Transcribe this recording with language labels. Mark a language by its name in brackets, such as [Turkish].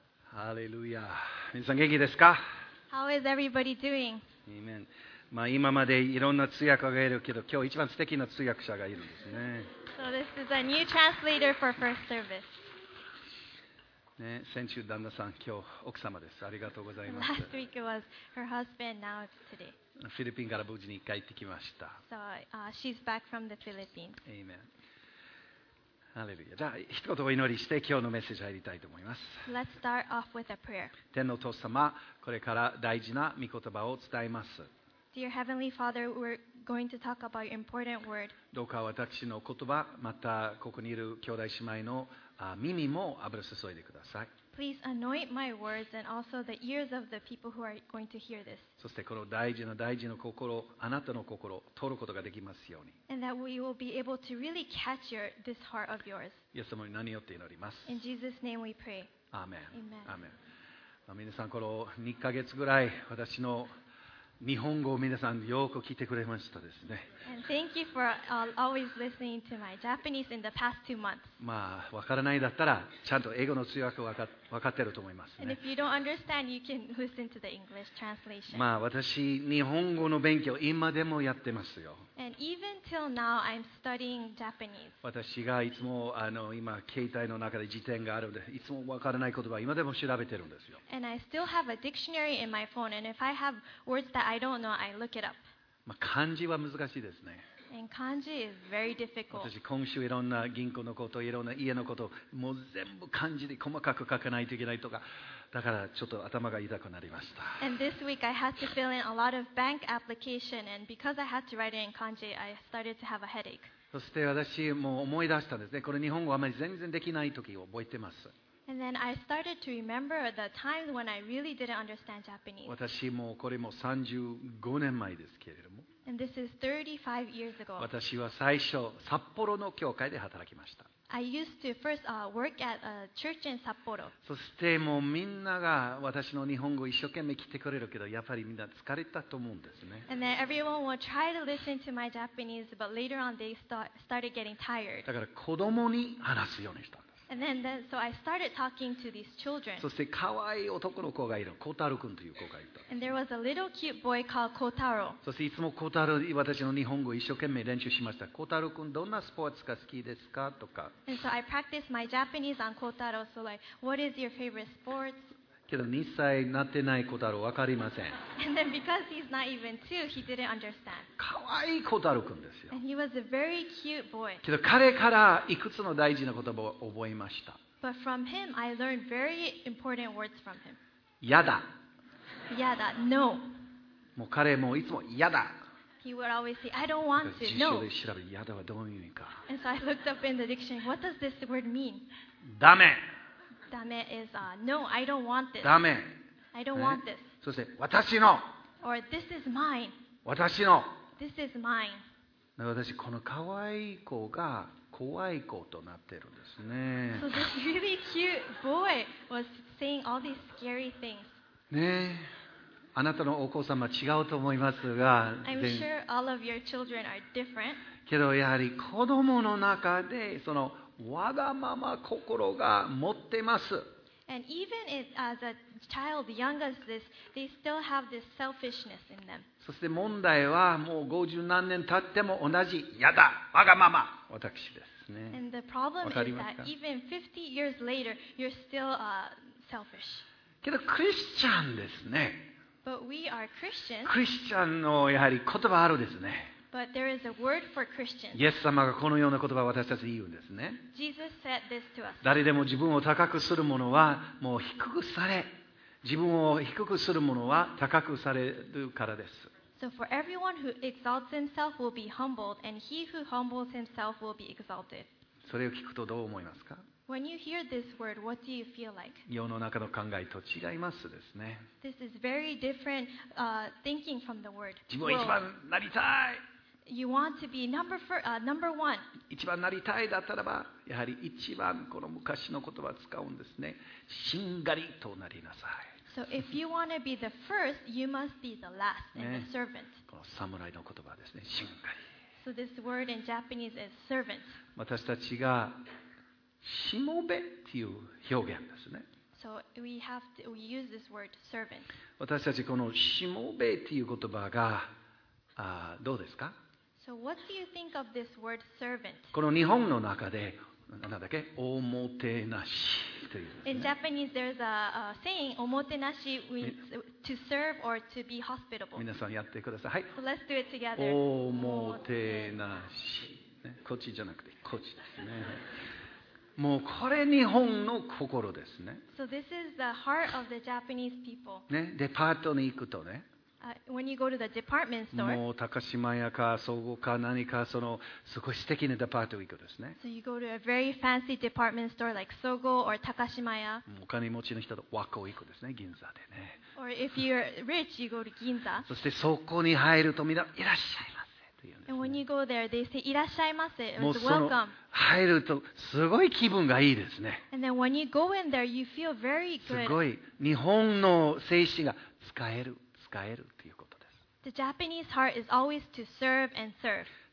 [Japanese] ハレルヤ。皆さん元気ですか？ [English] How is everybody doing? Amen. [Japanese] まあ今までいろんな通訳がいるけど、今日一番素敵な通訳者がいるんですね。 [English] So this is a new translator for first service. [Japanese] ね、先週旦那さん、今日奥様です。ありがとうございます。 [English] Last week it was her husband, now it's today. [Japanese] フィリピンから無事に帰ってきました。 [English] So, she's back from the Philippines. Amen. [Japanese] ハレルヤ。じゃあ一言お祈りして今日のメッセージ入りたいと思います。 [English] Let's start off with a prayer. [Japanese] 天の父様、これから大事な御言葉を伝えます。 [English] Dear Heavenly Father, we're going to talk about your important word. [Japanese] どうか私の言葉、またここにいる兄弟姉妹の耳も油注いでください。 [English] Please anoint my words and also the ears of the people who are going to hear this. [Japanese] そしてこの大事な大事な心、あなたの心を通ることができますように。 [English] And that we will be able to really catch this heart of yours. [Japanese] イエス様に何よって祈ります。 [English] In Jesus' name we pray. Amen. Amen. Amen. [Japanese] 皆さん、この2ヶ月ぐらい私の日本語を皆さんよく聞いてくれましたですね。 [English] And thank you for always listening to my Japanese in the past two months. [Japanese] まあ、わからないだったら、ちゃんと英語の通訳わかってると思いますね。 [English] And if you don't understand, you can listen to the English translation. [Japanese] まあ、私、日本語の勉強、今でもやってますよ。 [English] And even till now, I'm studying Japanese. [Japanese] 私がいつも今、携帯の中で辞典があるので、いつもわからない言葉、今でも調べてるんですよ。 [English] And I still have a dictionary in my phone, and if I have words that I don't know, I look it up. [Japanese] まあ、漢字は難しいですね。 [English] And 漢字 is very difficult. [Japanese] 私、今週いろんな銀行のこと、いろんな家のこと、もう全部漢字で細かく書かないといけないとか、だからちょっと頭が痛くなりました。 [English] And this week I had to fill in a lot of bank application, and because I had to write it in 漢字, I started to have a headache. [Japanese] そして私もう思い出したんですね。これ日本語あまり全然できないときを覚えてます。 [English] And then I started to remember the times when I really didn't understand Japanese. [Japanese] 私もこれも35年前ですけれども。 [English] And this is 35 years ago. [Japanese] 私は最初札幌の教会で働きました。 [English] I used to first work at a church in Sapporo. [Japanese] そしてもうみんなが私の日本語を一生懸命聞いてくれるけど、やっぱりみんな疲れたと思うんですね。 [English] And then everyone will try to listen to my Japanese, but later on they started getting tired. [Japanese] だから子供に話すようにした。 [English] And then, so I started talking to these children. [Japanese] そして可愛い男の子がいる、コタロ君という子がいた。 [English] And there was a little cute boy called Kotaro. [Japanese] そしていつもコタロ、私の日本語を一生懸命練習しました。コタロ君、どんなスポーツが好きですかとか。 [English] And so I practiced my Japanese on Kotaro. So like, what is your favorite sports? [Japanese] けど2歳なってないコタロ、わかりません。 [English] And then because he's not even two, he didn't understand. [Japanese] 可愛いコタロ君ですよ。 [English] And he was a very cute boy. [Japanese] けど彼からいくつの大事な言葉を覚えました。 [English] But from him, I learned very important words from him. [Japanese] やだ。やだ、 [English] no. [Japanese] もう彼もいつもやだ。 [English] He would always say, I don't want to, no. [Japanese] 辞書で調べ、やだはどういう意味か。 [English] And so I looked up in the dictionary, what does this word mean? [Japanese] ダメ。 [English] ダメ is no, I don't want this. [Japanese] ダメ。 [English] I don't want this. [Japanese] そして私の。 [English] Or this is mine. [Japanese] 私の。 [English] This is mine. [Japanese] 私この可愛い子が怖い子となってるんですね。 [English] So this really cute boy was saying all these scary things. [Japanese] ね、あなたのお子様は違うと思いますが。 [English] I'm sure all of your children are different. [Japanese] けどやはり子供の中でそのわがまま心が持ってます。 [English] And even if, as a child, young as this, they still have this selfishness in them. [Japanese] そして問題はもう五十何年経っても同じ、やだ、わがまま、私ですね。 [English] And the problem is that even 50 years later, you're still selfish. [Japanese] けどクリスチャンですね。 [English] But we are Christians. [Japanese] クリスチャンのやはり言葉あるですね。 [English] But there is a word for Christians. [Japanese] イエス様がこのような言葉を私たちに言うんですね。 [English] Jesus said this to us. [Japanese] 誰でも自分を高くする者はもう低くされ、自分を低くする者は高くされるからです。 [English] So for everyone who exalts himself will be humbled, and he who humbles himself will be exalted. [Japanese] それを聞くとどう思いますか？ [English] When you hear this word, what do you feel like? [Japanese] 世の中の考えと違いますですね。 [English] This is very different thinking from the world. [Japanese] 自分は一番なりたい。 [English] You want to be number one. [Japanese] 一番なりたいだったらば、やはり一番この昔の言葉を使うんですね。しんがりとなりなさい。 [English] So if you want to be the first, you must be the last and the servant.、 [Japanese] ね、この侍の言葉ですね。しんがり。 [English] So this word in Japanese is servant. [Japanese] 私たちがしもべという表現ですね。 [English] So we have to, we use this word, servant. [Japanese] 私たちこのしもべという言葉がどうですか？ [English] So what do you think of this word, servant? [Japanese] この日本の中で何だっけ？おもてなしというですね。 [English] In Japanese, there's a saying, おもてなし means to serve or to be hospitable. [Japanese] 皆さんやってください。はい。 [English] So、let's do it together. [Japanese] おもてなし、ね、こっちじゃなくてこっちですね。もうこれ日本の心ですね。 [English] So this is the heart of the Japanese people. [Japanese] ね、デパートに行くとね。 [English] When you go to the department store. [Japanese] もう高島屋か総合か何かそのすごい素敵なデパートに行くですね。 [English] So you go to a very fancy department store like Sogo or Takashimaya. [Japanese] お金持ちの人と和光行くですね、銀座でね。 [English] Or if you're rich, you go to Ginza. [Japanese] そしてそこに入るとみんないらっしゃいませ。 [English] And when you go there, they say いらっしゃいませ。 [Japanese] もうその入るとすごい気分がいいですね。 [English] And then when you go in there, you feel very good. [Japanese] すごい日本の精神が使えるということです。 [English] The Japanese heart is always to serve and serve.